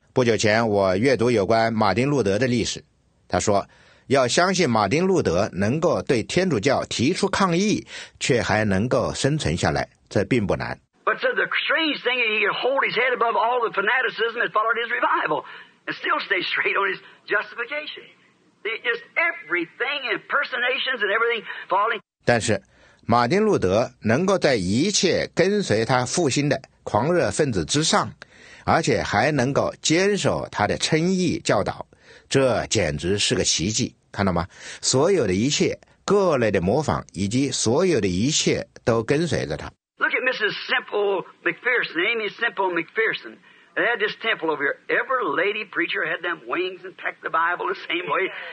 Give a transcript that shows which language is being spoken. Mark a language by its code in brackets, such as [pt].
[zh] 不久前，我阅读有关马丁路德的历史，他说。要相信马丁路德能够对天主教提出抗议，却还能够生存下来，这并不难。 [en] But so the strange thing is he could hold his head above all the fanaticism that followed his revival and still stay straight on his justification. Just everything, impersonations and everything falling. [zh] 但是，马丁路德能够在一切跟随他复兴的狂热分子之上，而且还能够坚守他的称义教导。这简直是个奇迹，看到吗？所有的一切，各类的模仿，以及所有的一切都跟随着他。 [en] Look at Mrs. Simple McPherson, Amy Simple McPherson. They had this temple over here. Every lady preacher had them wings and packed the Bible the same way.